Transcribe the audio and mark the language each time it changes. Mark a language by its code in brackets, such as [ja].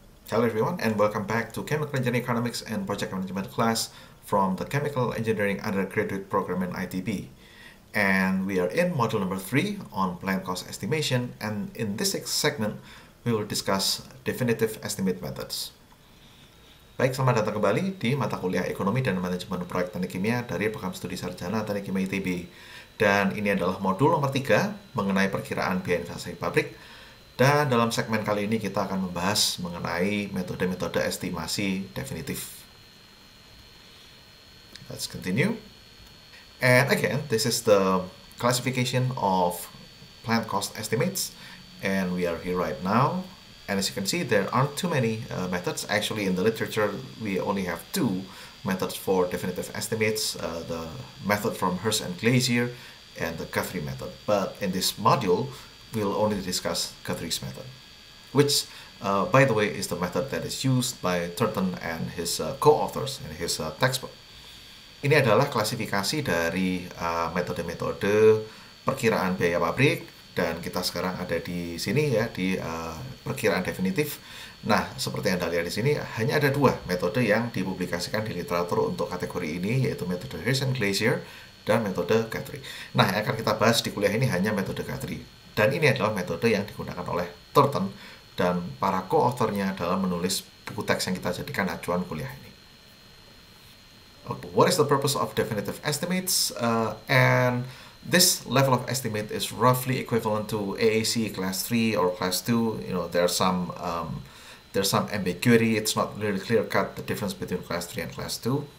[en] Hello everyone, and welcome back to Chemical Engineering Economics and Project Management class from the Chemical Engineering Undergraduate Program in ITB. And we are in module number 3 on plant cost estimation, and in this segment we will discuss definitive estimate methods. [id] Baik, selamat datang kembali di mata kuliah Ekonomi dan Manajemen Proyek Teknik Kimia dari Program Studi Sarjana Teknik Kimia ITB. Dan ini adalah modul nomor 3 mengenai perkiraan biaya investasi pabrik. Dan dalam segmen kali ini kita akan membahas mengenai metode-metode estimasi definitif. [en] Let's continue. And again, this is the classification of plant cost estimates. And we are here right now. And as you can see, there aren't too many methods. Actually, in the literature, we only have two methods for definitive estimates. The method from Hirst and Glazier and the Guthrie method. But in this module, we'll only discuss Guthrie's method, which, by the way, is the method that is used by Turton and his co-authors in his textbook. [id] Ini adalah klasifikasi dari metode-metode perkiraan biaya pabrik, dan kita sekarang ada di sini ya, di perkiraan definitif. Nah, seperti yang Anda lihat di sini, hanya ada dua metode yang dipublikasikan di literatur untuk kategori ini, yaitu metode Hirst and Glazier dan metode Guthrie. Nah, yang akan kita bahas di kuliah ini hanya metode Guthrie. Dan ini adalah metode yang digunakan oleh Turton dan para co-authornya dalam menulis buku teks yang kita jadikan acuan kuliah ini. [en] Okay, what is the purpose of definitive estimates? And this level of estimate is roughly equivalent to AAC class 3 or class 2. You know, there's some ambiguity. It's not really clear cut the difference between class 3 and class 2.